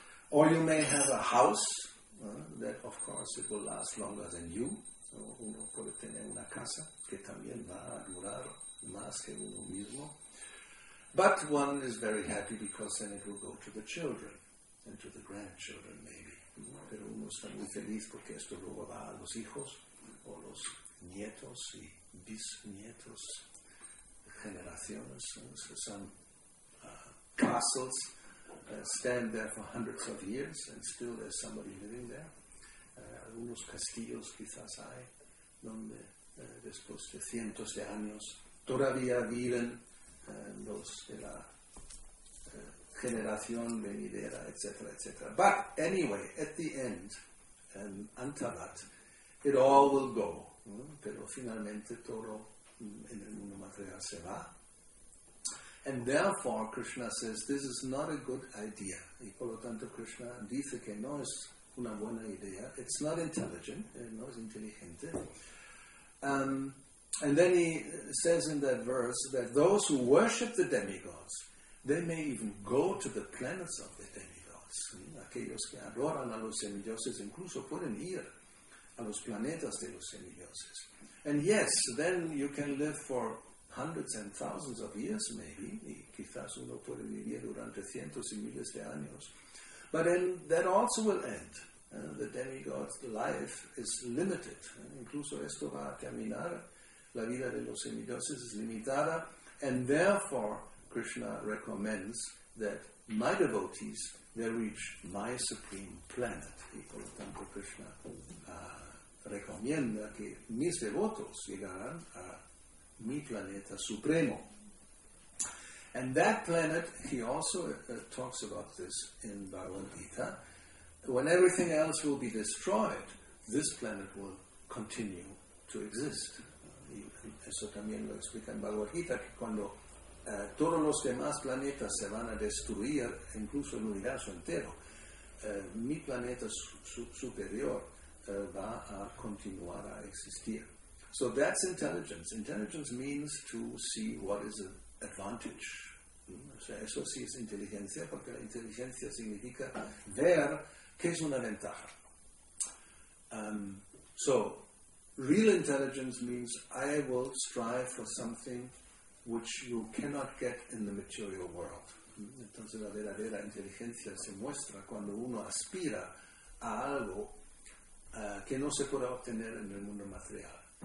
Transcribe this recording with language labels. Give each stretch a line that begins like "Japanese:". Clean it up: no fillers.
English: Or you may have a house that, of course, it will last longer than you.
Spanish: Uno puede tener una casa que también va a durar más que uno mismo.
English: But one is very happy because then it will go to the children and to the grandchildren, maybe.
Spanish: Pero uno está muy feliz porque esto luego va a los hijos o los nietos y bisnietos, generaciones.
English: So some castles stand there for hundreds of years and still there's somebody living there.
Spanish: Algunos castillos quizás hay donde después de cientos de años todavía viven los de la generación venidera, etc., etc.
English: But anyway, at the end, antabat, it all will go.
Spanish: Pero finalmente todo en el mundo material se va.
English: And therefore, Krishna says, this is not a good idea.
Spanish: Y por lo tanto, Krishna dice que no es una buena idea.
English: It's not intelligent.
Spanish: No es inteligente.
English: And then he says in that verse that those who worship the demigods, they may even go to the planets of the demigods.
Spanish: Aquellos que adoran a los semidioses incluso pueden ir a los planetas de los semidioses.
English: And yes, then you can live for hundreds and thousands of years, maybe.
Spanish: Y quizás uno puede vivir durante cientos y miles de años.
English: But then that also will end. The demigod's life is limited.
Spanish: Incluso esto va a terminar. La vida de los semidioses es limitada.
English: And therefore, Krishna recommends that my devotees, they reach my supreme planet.
Spanish: Y por lo tanto, Krishna recomienda que mis devotos llegarán a mi planeta supremo.
English: And that planet, he also talks about this in Bhagavad Gita, when everything else will be destroyed, this planet will continue to exist.
Spanish: Y eso también lo explica en Bhagavad Gita, que cuando todos los demás planetas se van a destruir, incluso el universo entero, mi planeta superior va a continuar a existir.
English: So that's intelligence. Intelligence means to see what is an advantage.
Spanish: O sea, eso sí es inteligencia, porque la inteligencia significa ver qué es una ventaja.
English: So, real intelligence means I will strive for something which you cannot get in the material world.
Spanish: Entonces la verdadera inteligencia se muestra cuando uno aspira a algo que no se puede obtener en el mundo material.